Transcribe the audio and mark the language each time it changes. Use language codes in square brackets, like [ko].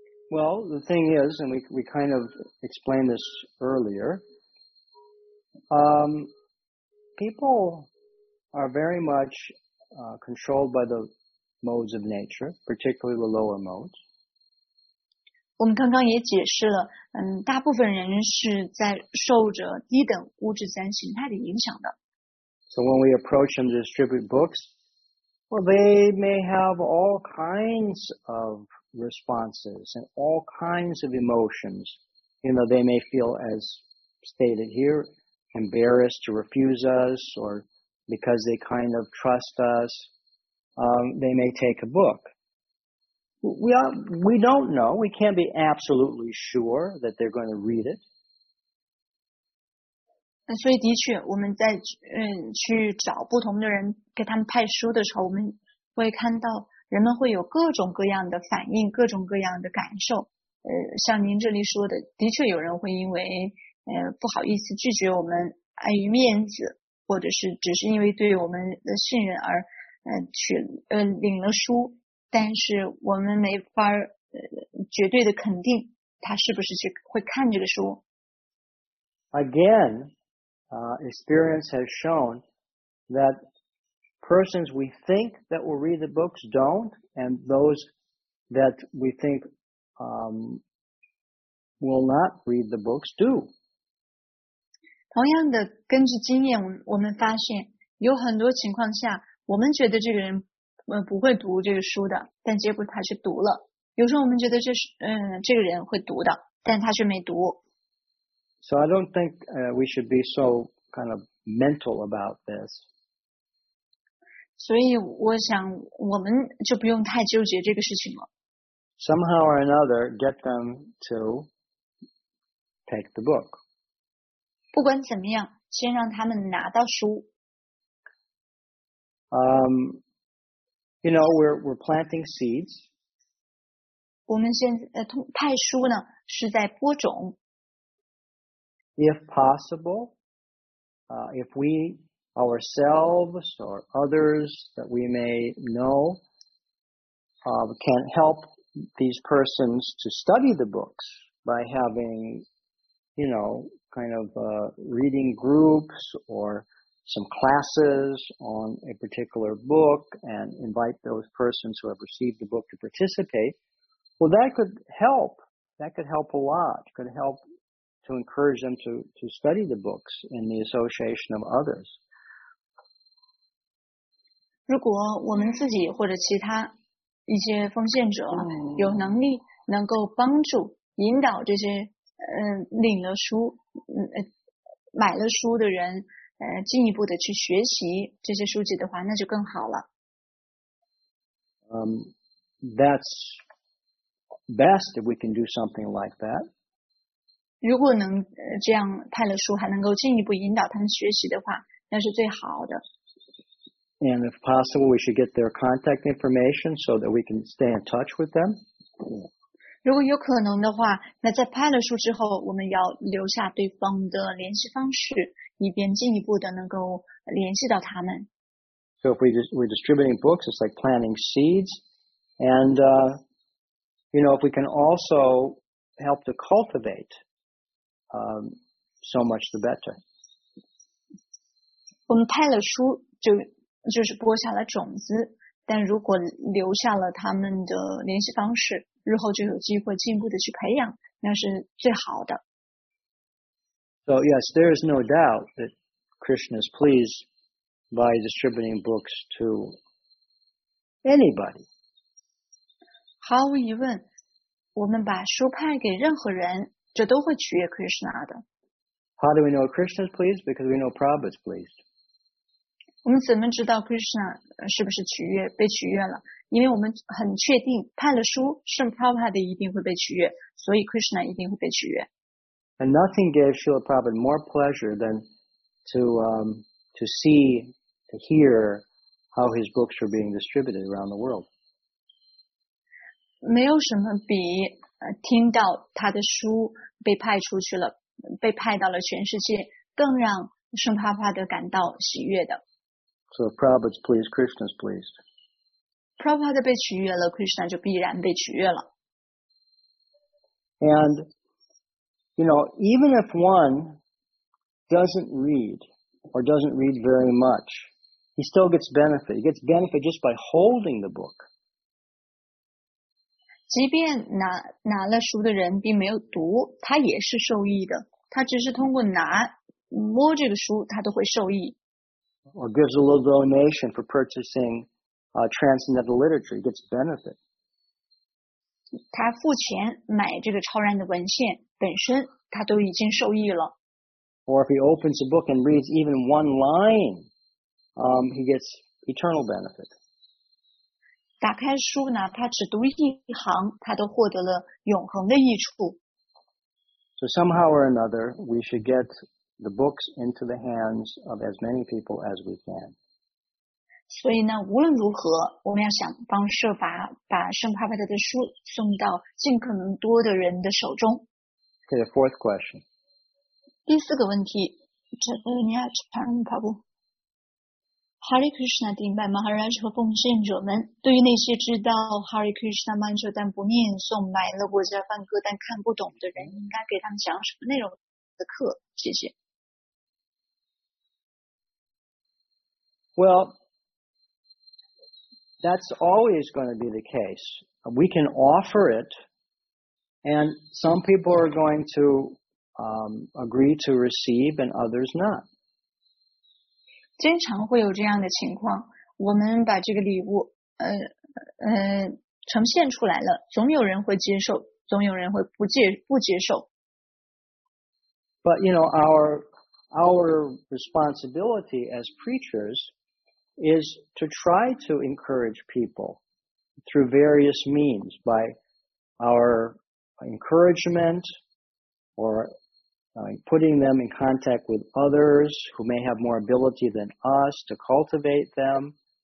[en] Well, the thing is, and we kind of explained this earlier, people are very much controlled by the modes of nature, particularly the lower modes. [zh] 我们刚刚也解释了，大部分人是在受着低等物质自然形态的影响的。 [en] So when we approach them to distribute books, well, they may have all kinds of responses and all kinds of emotions. You know, they may feel, as stated here, embarrassed to refuse us, or because they kind of trust us, they may take a book. We don't know. We can't be absolutely sure that they're going to read it. [zh] 所以的确，我们在去找不同的人给他们派书的时候，我们会看到人们会有各种各样的反应，各种各样的感受。像您这里说的，的确有人会因为不好意思拒绝我们，碍于面子，或者是只是因为对我们的信任而领了书。但是我们没法绝对的肯定他是不是去会看这个书。 [en] Again, Experience has shown that persons we think that will read the books don't, and those that we think will not read the books do. [zh] 同样的，根据经验，我们发现有很多情况下，我们觉得这个人不会读这个书的，但结果他是读了。有时候我们觉得这个人会读的，但他却没读。 [en] So I don't think we should be so kind of mental about this. [zh] 所以我想我们就不用太纠结这个事情了。 [en] Somehow or another, get them to take the book. [zh] 不管怎么样，先让他们拿到书。 [en] You know, we're planting seeds. [zh] 我们现在派书呢是在播种。 [en] If possible, if we ourselves or others that we may know can help these persons to study the books by having, you know, kind of reading groups or some classes on a particular book and invite those persons who have received the book to participate, well, that could help. That could help a lot. Could help. To encourage them to study the books in the association of others. [zh] 如果我们自己或者其他一些奉献者有能力能够帮助引导这些领了书买了书的人进一步的去学习这些书籍的话，那就更好了。 [en] That's best if we can do something like that. [zh] 如果能这样派了书还能够进一步引导他们学习的话，那是最好的。 [en] And if possible, we should get their contact information so that we can stay in touch with them. [zh] 如果有可能的话，那在派了书之后，我们要留下对方的联系方式，以便进一步的能够联系到他们。 [en] So if we're distributing books, it's like planting seeds. And, you know, if we can also help to cultivate,so much the better. [zh] 我们派了书就是播下了种子，但如果留下了他们的联系方式，日后就有机会进一步的去培养，那是最好的。 [en] So yes, there is no doubt that Krishna is pleased by distributing books to anybody. [zh] 毫无疑问，我们把书派给任何人，这都会取悦 Krishna 的。 [en] How do we know Krishna is pleased? Because we know Prabhupada is pleased. [zh] 我们怎么知道 Krishna 是不是取悦被取悦了？因为我们很确定派了书，圣 Prabhupada 一定会被取悦，所以 Krishna 一定会被取悦。 [en] And nothing gave Srila Prabhupada more pleasure than to see, to hear how his books were being distributed around the world. [zh] 没有什么比听到他的书被派出去了，被派到了全世界，更让圣帕帕的感到喜悦的。 [en] So if Prabhupada's pleased, Krishna's pleased. [zh] Prabhupada 被取悦了， Krishna 就必然被取悦了。 [en] And, you know, even if one doesn't read or doesn't read very much, he still gets benefit. He gets benefit just by holding the book. [zh] 即便 拿了书的人并没有读，他也是受益的。他只是通过拿摸这个书，他都会受益。 [en] Or gives a little donation for purchasing transcendental literature, gets benefit. [zh] 他付钱买这个超然的文献，本身他都已经受益了。 [en] Or if he opens a book and reads even one line, he gets eternal benefit. [zh] 打开书呢，他只读一行，他都获得了永恒的益处。 [en] So somehow or another, we should get the books into the hands of as many people as we can. [zh] 所以呢，无论如何，我们要想方设法把圣帕帕的书送到尽可能多的人的手中。 [en] Okay, the fourth question. [zh] 第四个问题，你要传人跑步。 Hare Krishna 顶拜 Maharaj 和奉献者们，对于那些知道 Hare Krishna Mantra 但不念诵，买了国家梵歌但看不懂的人，应该给他们讲什么内容的课？谢谢。 [en] Well, that's always going to be the case. We can offer it, and some people are going to agree to receive and others not. [zh] 经常会有这样的情况，我们把这个礼物呈现出来了，总有人会接受，总有人会不接受。 [en] But you know, our responsibility as preachers is to try to encourage people through various means by our encouragement or putting them in contact with others who may have more ability than us to cultivate them.